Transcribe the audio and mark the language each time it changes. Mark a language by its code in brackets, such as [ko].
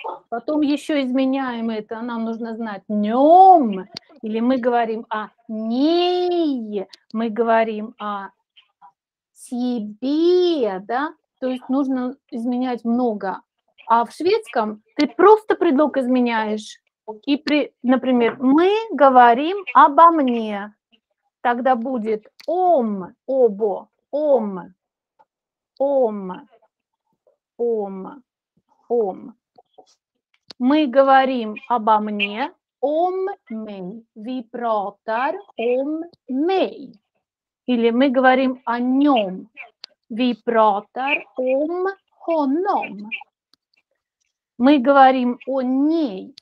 [ru] потом еще изменяем это, нам нужно знать нем, или мы говорим о ней, мы говорим о тебе, да, то есть нужно изменять много. А в шведском ты просто предлог изменяешь. И, например, мы говорим обо мне. Тогда будет [sv] om, обо, om, om, om, om. [ru] Мы говорим обо мне, [sv] om mig. Vi pratar om mig. [ru] Или мы говорим о нем. [sv] Vi pratar om honom. [ru] Мы говорим о ней.